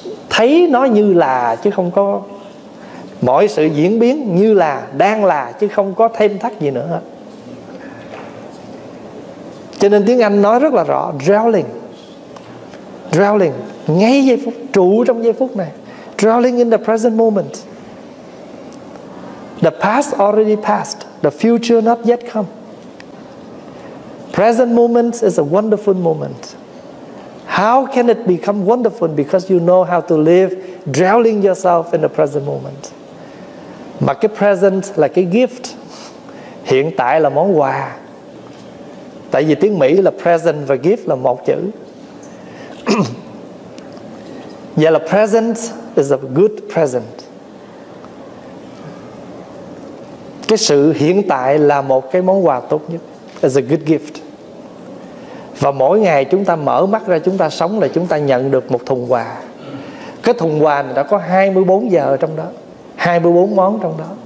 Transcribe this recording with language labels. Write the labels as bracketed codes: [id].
[vi] Thấy nó như là, chứ không có. Mọi sự diễn biến như là, đang là, chứ không có thêm thắt gì nữa. Cho nên tiếng Anh nói rất là rõ, Dwelling, ngay giây phút, trụ trong giây phút này. [en] Dwelling in the present moment. The past already passed, the future not yet come. Present moment is a wonderful moment. How can it become wonderful? Because you know how to live, drowning yourself in the present moment. [vi] Mà cái present là cái gift, hiện tại là món quà. Tại vì tiếng Mỹ là present và gift là một chữ. Vậy là [en] present is a good present. [vi] Cái sự hiện tại là một cái món quà tốt nhất, [en] is a good gift. [vi] Và mỗi ngày chúng ta mở mắt ra, chúng ta sống là chúng ta nhận được một thùng quà. Cái thùng quà này đã có 24 giờ trong đó, 24 món trong đó.